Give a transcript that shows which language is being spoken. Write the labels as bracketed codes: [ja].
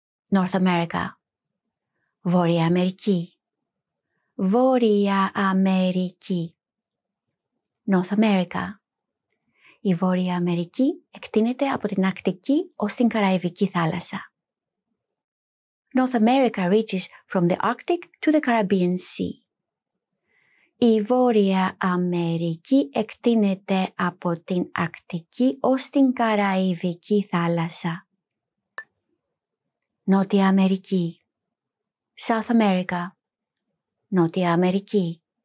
[en] North America. [el] Βόρεια Αμερική. Βόρεια Αμερική. [en] North America. [el] Η Βόρεια Αμερική εκτείνεται από την Αρκτική ως την Καραϊβική θάλασσα. [en] North America reaches from the Arctic to the Caribbean Sea. [el] Η Βόρεια Αμερική εκτείνεται από την Αρκτική ως την Καραϊβική θάλασσα. Νότια Αμερική. [en] South America. [el] Νότια Αμερική.